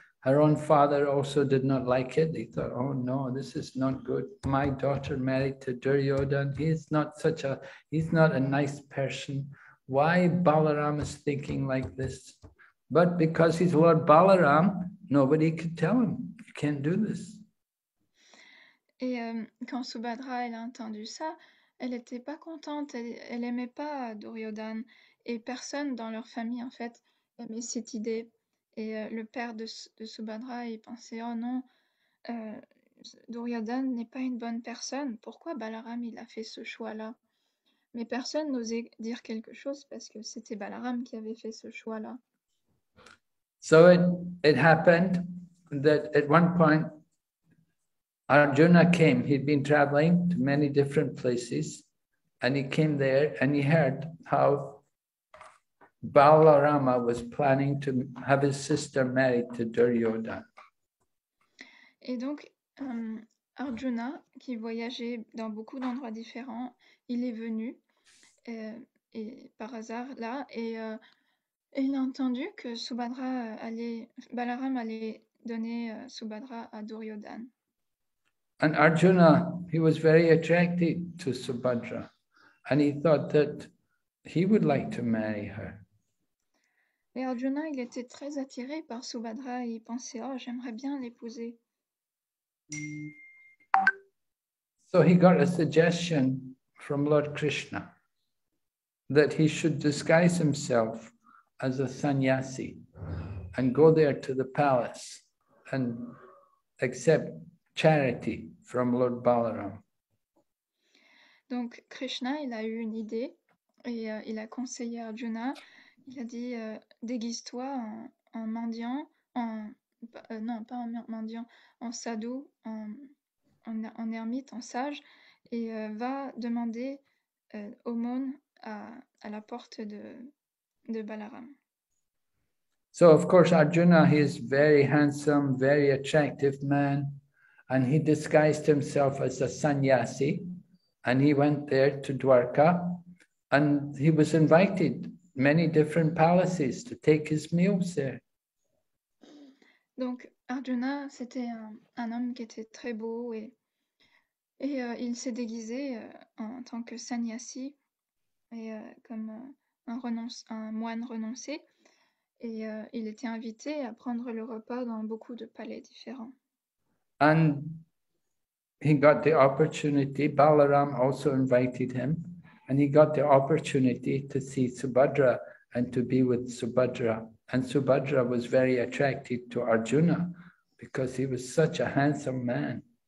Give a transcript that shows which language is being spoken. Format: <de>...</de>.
<en>Her own father also did not like it. He thought, oh no, this is not good. My daughter married to Duryodhan. He's not a nice person. Why Balaram is thinking like this? But because he's Lord Balaram, nobody could tell him, you can't do this.</en> <fr>Et quand Subhadra elle a entendu ça, elle n'était pas contente, elle n'aimait pas Duryodhan. Et personne dans leur famille, en fait, aimait cette idée. Et le père de Subhadra, il pensait, oh non, Duryodhan n'est pas une bonne personne. Pourquoi Balaram, il a fait ce choix-là? Mais personne n'osait dire quelque chose parce que c'était Balaram qui avait fait ce choix-là.</fr> <en>So it happened that at one point, Arjuna came. He'd been traveling to many different places. And he came there and he heard how Balarama was planning to have his sister married to Duryodhan.</en> <fr>Et donc Arjuna, qui voyageait dans beaucoup d'endroits différents, il est venu et par hasard là et il a entendu que Balaram allait donner Subhadra à Duryodhan.</fr> <en>And Arjuna, he was very attracted to Subhadra and he thought that he would like to marry her.</en> <fr>Et Arjuna, il était très attiré par Subhadra et il pensait, oh, j'aimerais bien l'épouser.</fr> <en>So he got a suggestion from Lord Krishna that he should disguise himself as a sannyasi and go there to the palace and accept charity from Lord Balaram.</en> <fr>Donc Krishna, il a eu une idée et il a conseillé Arjuna. Il a dit, déguise-toi en ermite, en sage, et va demander aumône à la porte de Balaram.</fr> <en>So of course, Arjuna, he is very handsome, very attractive man, and he disguised himself as a sannyasi, and he went there to Dwarka, and he was invited many different palaces to take his meals there.</en> <fr>Donc Arjuna, c'était un homme qui était très beau et il s'est déguisé en tant que sannyasi et comme un moine renoncé. Et il était invité à prendre le repas dans beaucoup de palais différents.</fr> <en>And he got the opportunity, Balaram also invited him, and he got the opportunity to see Subhadra and to be with Subhadra. And Subhadra was very attracted to Arjuna because he was such a handsome man.</en>